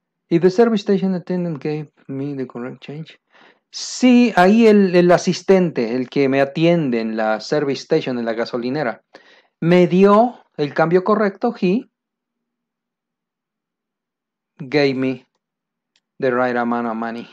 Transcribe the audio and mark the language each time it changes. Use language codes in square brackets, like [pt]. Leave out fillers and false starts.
[en] If the service station attendant gave me the correct change. [es] Sí, ahí el asistente, el que me atiende en la service station, en la gasolinera, me dio el cambio correcto. [en] He gave me the right amount of money.